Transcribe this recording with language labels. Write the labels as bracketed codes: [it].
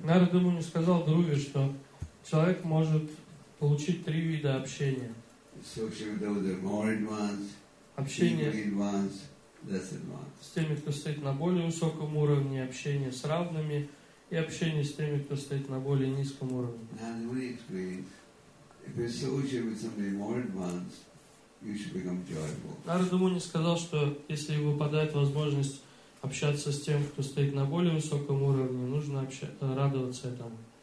[ru] Нарада Муни сказал Друве, что человек может получить три вида общения. [en] Association with those who are more advanced, [ru] общение [en] advanced, less advanced. [ru] С теми, кто стоит на более высоком уровне, общение с равными, и общение с теми, кто стоит на более низком уровне. [en] Нарада Муни explained, if you associate with somebody more advanced, you should become joyful. [ru] Нарада Муни сказал, что если выпадает возможность общаться с тем, кто стоит на более высоком уровне, нужно радоваться этому.